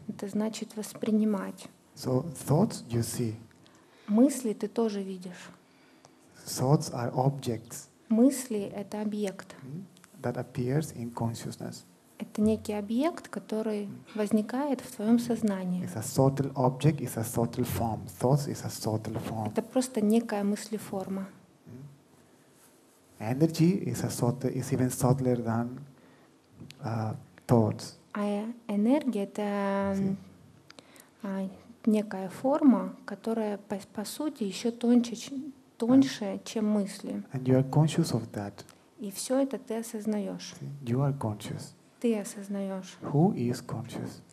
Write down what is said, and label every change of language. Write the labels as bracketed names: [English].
[Russian] Это значит воспринимать. [English] So thoughts you see. [Russian] Мысли ты тоже видишь. [English] Thoughts are objects. [Russian] Мысли — это объект. [English] That appears in consciousness. [Russian] Это некий объект, который возникает в твоем сознании. [English] It's a subtle object, it's a subtle form. Thoughts is a subtle form. [Russian] Это просто некая мыслеформа. [English] Energy is a subtle, is even subtler than thoughts. [Russian] А энергия — это некая форма, которая по сути еще тоньше, чем мысли. [English] And you are conscious of that. [Russian] И все это ты осознаешь. [English] See? You are conscious. [Russian] Ты осознаешь. [English] Who is conscious?